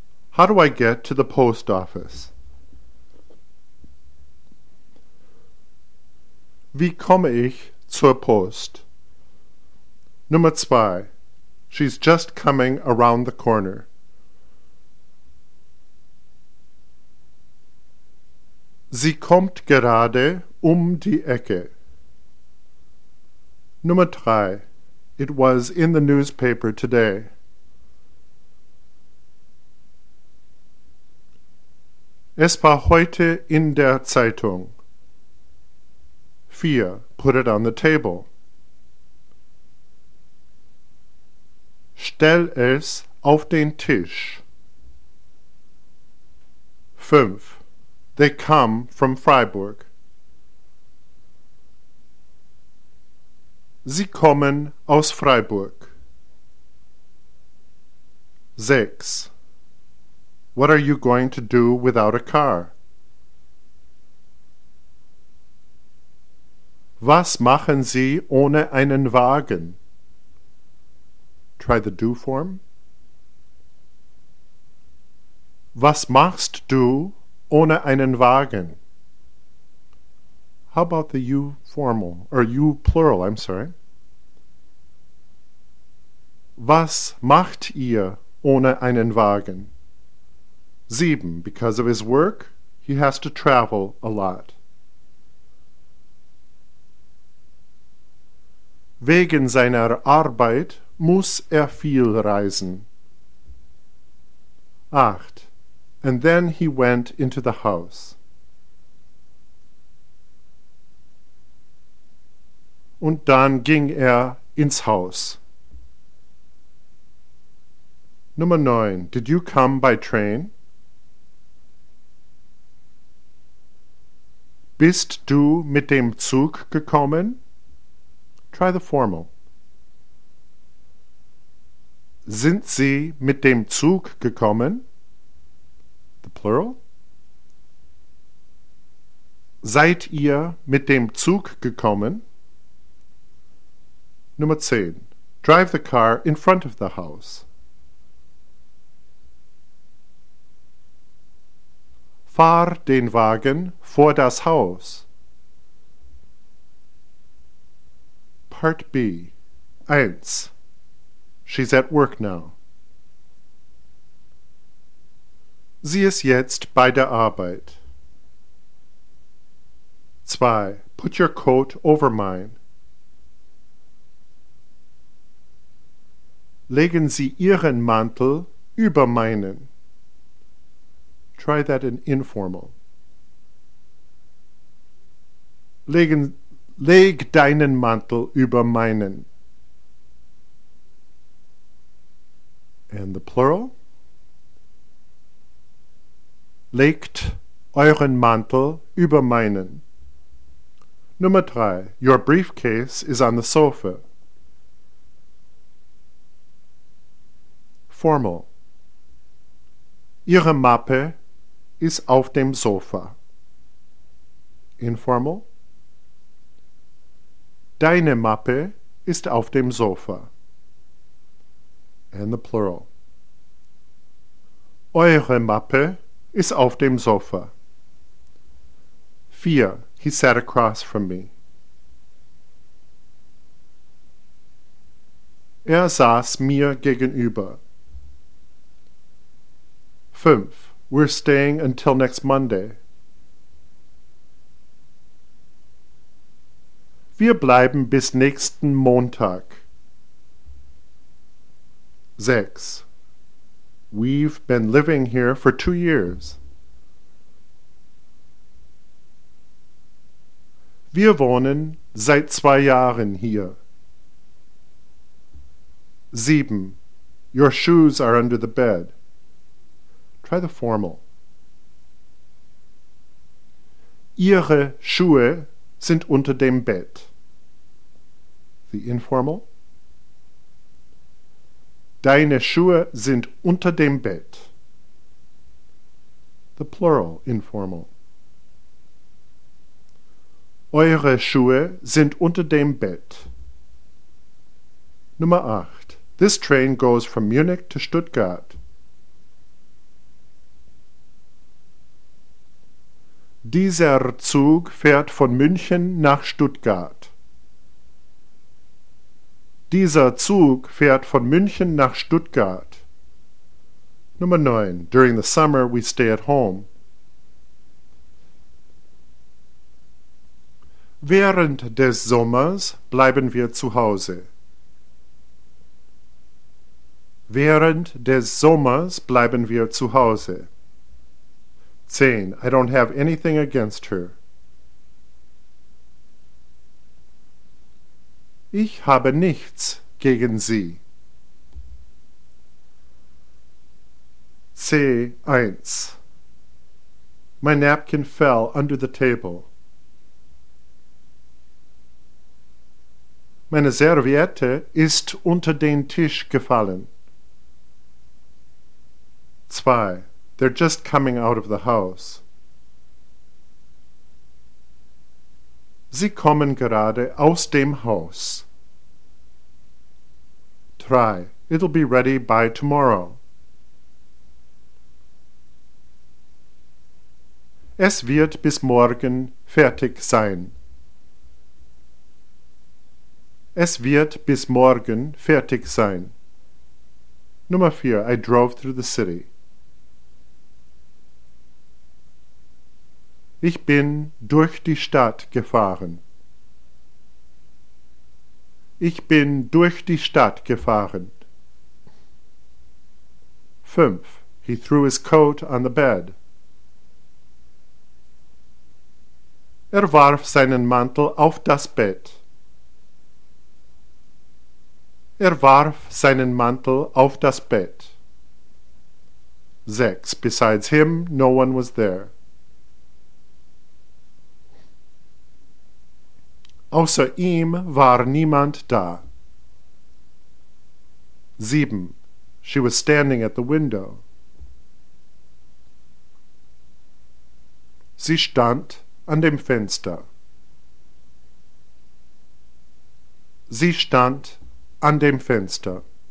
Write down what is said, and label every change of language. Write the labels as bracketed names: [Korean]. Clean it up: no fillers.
[English] How do I get to the post office? [German] Wie komme ich zur Post? Nummer 2. [English] She's just coming around the corner. [German] Sie kommt gerade die Ecke. Nummer 3. [English] It was in the newspaper today. [German] Es war heute in der Zeitung. [English] 4. Put it on the table. [German] Stell es auf den Tisch. 5. [English] They come from Freiburg. [German] Sie kommen aus Freiburg. 6. [English] What are you going to do without a car? [German] Was machen Sie ohne einen Wagen? [English] Try the do form. [German] Was machst du ohne einen Wagen? [English] How about the you formal, or you plural, I'm sorry. [German] Was macht ihr ohne einen Wagen? 7. [English] Because of his work, he has to travel a lot. [German] Wegen seiner Arbeit muss viel reisen. 8. [English] And then he went into the house. [German] Und dann ging ins Haus. Nummer 9. [English] Did you come by train? [German] Bist du mit dem Zug gekommen? [English] Try the formal. [German] Sind Sie mit dem Zug gekommen? [English] The plural. [German] Seid ihr mit dem Zug gekommen? Nummer 10. [English] Drive the car in front of the house. [German] Fahr den Wagen vor das Haus. [English] Part B. 1. She's at work now. [German] Sie ist jetzt bei der Arbeit. [English] 2. Put your coat over mine. [German] Legen Sie Ihren Mantel über meinen. [English] Try that in informal. [German] Leg deinen Mantel über meinen. [English] And the plural? [German] Legt euren Mantel über meinen. Nummer 3. [English] Your briefcase is on the sofa. Formal. [German] Ihre Mappe ist auf dem Sofa. [English] Informal. [German] Deine Mappe ist auf dem Sofa. [English] And the plural. [German] Eure Mappe ist auf dem Sofa. [English] 4. He sat across from me. [German] Er saß mir gegenüber. 5. [English] We're staying until next Monday. [German] Wir bleiben bis nächsten Montag. 6. [English] We've been living here for 2 years. [German] Wir wohnen seit 2 Jahren hier. 7. [English] Your shoes are under the bed. Try the formal. [German] Ihre Schuhe sind unter dem Bett. [English] The informal. [German] Deine Schuhe sind unter dem Bett. [English] The plural, informal. [German] Eure Schuhe sind unter dem Bett. Nummer 8. [English] This train goes from Munich to Stuttgart. [German] Dieser Zug fährt von München nach Stuttgart. Dieser Zug fährt von München nach Stuttgart. Nummer 9. [English] During the summer we stay at home. [German] Während des Sommers bleiben wir zu Hause. Während des Sommers bleiben wir zu Hause. 10. [English] I don't have anything against her. [German] Ich habe nichts gegen sie. [English] C1. My napkin fell under the table. [German] Meine Serviette ist unter den Tisch gefallen. 2. [English] They're just coming out of the house. [German] Sie kommen gerade aus dem Haus. 3. [English] It'll be ready by tomorrow. [German] Es wird bis morgen fertig sein. Es wird bis morgen fertig sein. Nummer 4. [English] I drove through the city. [German] Ich bin durch die Stadt gefahren. Ich bin durch die Stadt gefahren. 5. [English] He threw his coat on the bed. [German] Er warf seinen Mantel auf das Bett. Er warf seinen Mantel auf das Bett. 6. [English] Besides him, no one was there. [German] Außer ihm war niemand da. 7. [English] She was standing at the window. [German] Sie stand an dem Fenster. Sie stand an dem Fenster.